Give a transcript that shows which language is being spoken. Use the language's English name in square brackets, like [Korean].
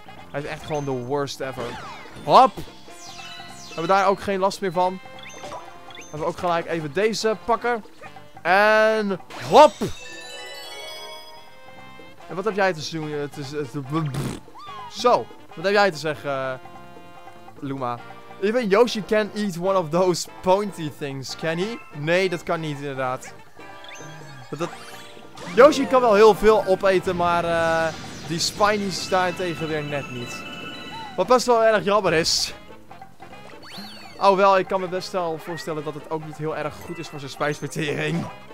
[Dutch] Hij is echt gewoon [English] the worst ever. [Dutch] Hop. Hebben we daar ook geen last meer van. Dan gaan we ook gelijk even deze pakken. En hop! En wat heb jij te doen? Zo, wat heb jij te zeggen, Luma? Even [English] Yoshi can eat one of those pointy things, can he? [Dutch] Nee, dat kan niet inderdaad. Yoshi kan wel heel veel opeten, maar die spinies daarentegen weer net niet. Wat best wel erg jammer is. Alhoewel, ik kan me best wel voorstellen dat het ook niet heel erg goed is voor zijn spijsvertering.